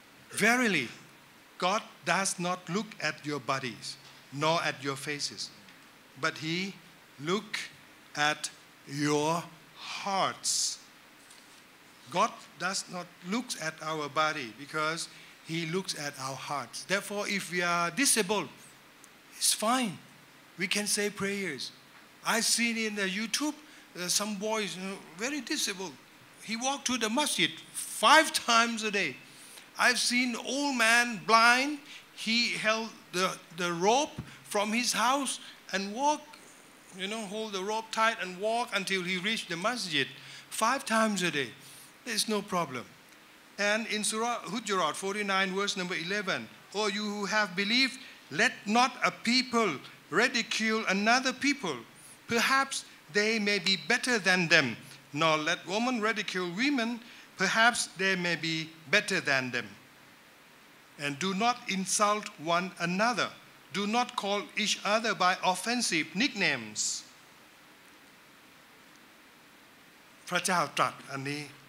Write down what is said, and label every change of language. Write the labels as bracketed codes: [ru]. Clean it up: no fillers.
[en] verily God does not look at your bodies nor at your faces but he look at your hearts God does not look at our body because he looks at our hearts therefore if we are disabled it's fineWe can say prayers. I seen in the YouTube some boys very disabled. He walked to the masjid 5 times a day. I've seen old man blind. He held the rope from his house and walk, you know, hold the rope tight and walk until he reached the masjid 5 times a day. There's no problem. And in Surah Hujurat 49 verse number 11, O you who have believed, let not a people... ridicule another people perhaps they may be better than them nor let woman ridicule women perhaps they may be better than them and do not insult one another do not call each other by offensive nicknames [th] พระเจ้าตรัสอันนี้